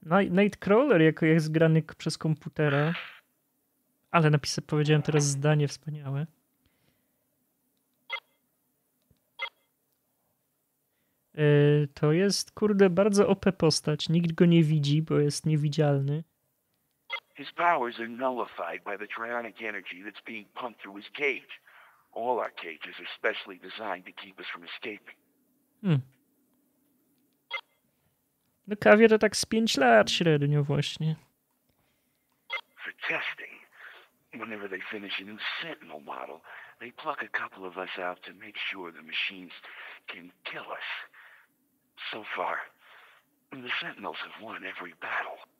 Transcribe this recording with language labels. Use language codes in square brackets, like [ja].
[pl] Nightcrawler jako jest grany przez komputera. Ale powiedziałem teraz zdanie wspaniałe. To jest, kurde, bardzo OP postać. Nikt go nie widzi, bo jest niewidzialny. [en] His powers are nullified by the trionic energy that's being pumped through his cage. All our cages are specially designed to keep us from escaping. [pl] No kawie to tak z 5 lat średnio właśnie. [en] For testing, whenever they finish a new Sentinel model, they pluck a couple of us out to make sure the machines can kill us. So far, the Sentinels have won every battle.